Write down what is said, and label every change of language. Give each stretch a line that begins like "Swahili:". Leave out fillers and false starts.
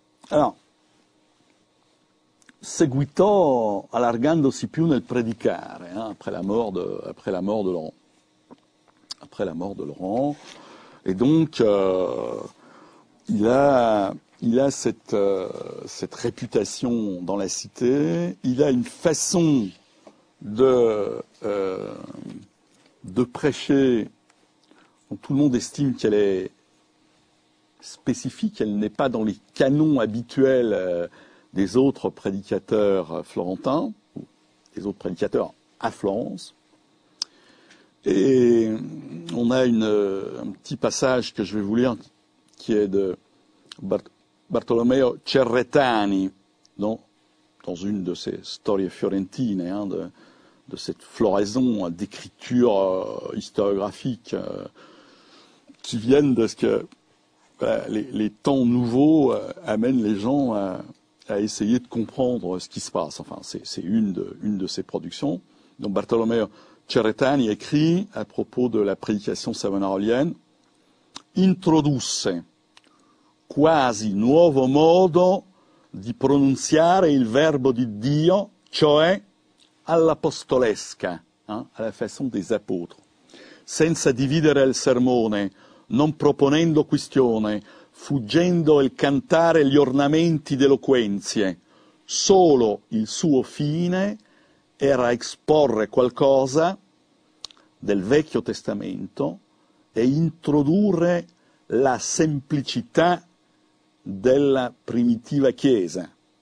French: Alors,
Italian: seguitò allargandosi più nel predicare,
French: hein, après la mort de Laurent. Après la mort de Laurent. Et donc, il a cette réputation dans la cité. Il a une façon de prêcher dont tout le monde estime qu'elle est spécifique. Elle n'est pas dans les canons habituels des autres prédicateurs florentins, ou des autres prédicateurs à Florence. Et on a un petit passage que je vais vous lire, qui est de Bartolomeo Cerretani, dans une de ses Storie Fiorentine, hein, de cette floraison d'écriture historiographique qui viennent de ce que voilà, les temps nouveaux amènent les gens à essayer de comprendre ce qui se passe. Enfin, c'est une de ses productions. Donc, Bartolomeo Cerretani écrit à propos de la prédication savonarolienne «
Italian: Introdusse quasi nuovo modo di pronunciare il verbo di Dio, cioè all'apostolesca, hein,
French: à la façon des apôtres,
Italian: senza dividere il sermone, non proponendo questione, fuggendo il cantare gli ornamenti d'eloquenzie, solo il suo fine era esporre qualcosa del Vecchio Testamento e introdurre la semplicità della primitiva Chiesa.